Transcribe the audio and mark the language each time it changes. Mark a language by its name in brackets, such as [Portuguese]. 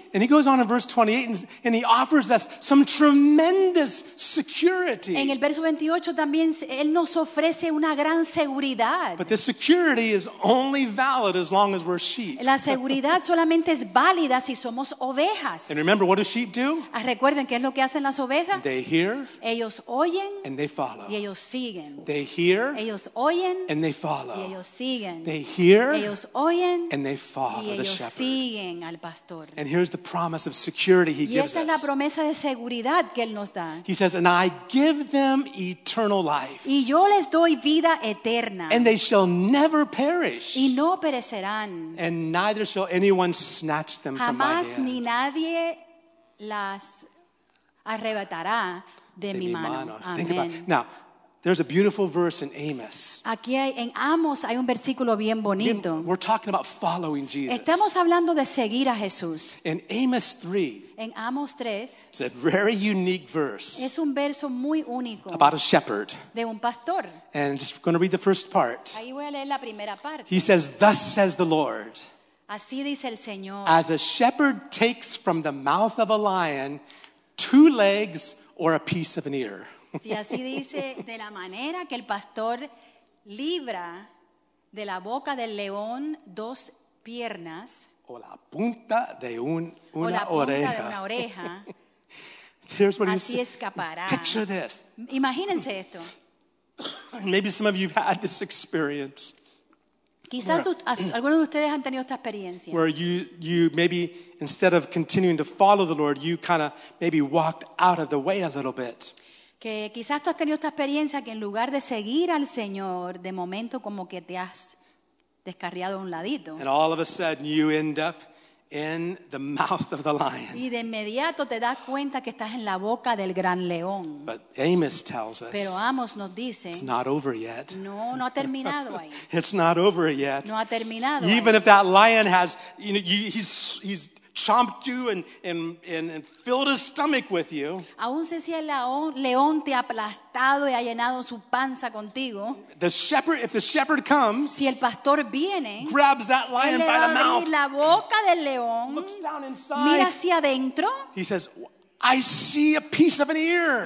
[English] And he goes on in verse 28 and he offers us some tremendous security. [Spanish] En el verso 28 también él nos ofrece una gran seguridad. [English] But the security is only valid as long as we're sheep. [Spanish] La seguridad solamente es válida si somos ovejas. [English] And remember, what do sheep do? [Spanish] Recuerden qué es lo que hacen las ovejas. [English] They hear. [Spanish] Ellos oyen. [English] And they follow. [Spanish] Y ellos siguen. [English] They hear. [Spanish] Ellos oyen. [English] And they follow. [Spanish] Y ellos siguen. [English] They hear. [Spanish] Ellos oyen. [English] And they follow [Spanish] y ellos [English] the shepherd. [Spanish] Siguen al pastor. [English] And here's the promise of security he [Spanish] y [English] gives us. [Spanish] Y esa es la promesa de seguridad que él nos da. [English] He says, "And I give them eternal life." [Spanish] Y yo les doy vida eterna. [English] "And they shall never perish." [Spanish] Y no perecerán. [English] "And neither shall anyone snatch them [Spanish] jamás [English] from my hand." [Spanish] Jamás ni nadie las arrebatará de mi mano. Amén. [English] Think about, now, there's a beautiful verse in Amos. [Spanish] Aquí hay, en Amos hay un versículo bien bonito. [English] We're talking about following Jesus. [Spanish] Estamos hablando de seguir a Jesús. [English] In Amos 3. [Spanish] En Amos 3. [English] It's a very unique verse. [Spanish] Es un verso muy único. [English] About a shepherd. [Spanish] De un pastor. [English] And just going to read the first part. [Spanish] Ahí voy a leer la primera parte. [English] He says, "Thus says the Lord." [Spanish] Así dice el Señor. [English] As a shepherd takes from the mouth of a lion two legs or a piece of an ear. [Spanish] Sí, así dice, de la manera que el pastor libra de la boca del león dos piernas. O la punta de una oreja. O la punta de una oreja. [English] Here's what [Spanish] así [English] he's saying. [Spanish] Escapará. [English] Picture this. [Spanish] Imagínense esto. [English] Maybe some of you have had this experience. [Spanish] Quizás algunos de ustedes han tenido esta experiencia. [English] Where you maybe instead of continuing to follow the Lord, you kind of maybe walked out of the way a little bit. [Spanish] Que quizás tú has tenido esta experiencia que en lugar de seguir al Señor, de momento como que te has descarriado a un ladito. [English] And all of a sudden you end up in the mouth of the lion. [Spanish] Y de inmediato te das cuenta que estás en la boca del gran león. [English] But Amos tells us. [Spanish] Pero Amos nos dice. [English] It's not over yet. [Spanish] No ha terminado ahí. [English] It's not over yet. [Spanish] No ha terminado. [English] Even [Spanish] ahí. [English] If that lion has, you know, he's chomped you and filled his stomach with you. [Spanish] Aún si el león te ha aplastado y ha llenado su panza contigo. [English] If the shepherd comes, [Spanish] si el pastor viene, [English] grabs that lion by the mouth, [Spanish] la boca del león, [English] looks down inside, [Spanish] mira hacia adentro, [English] he says, I see a piece of an ear.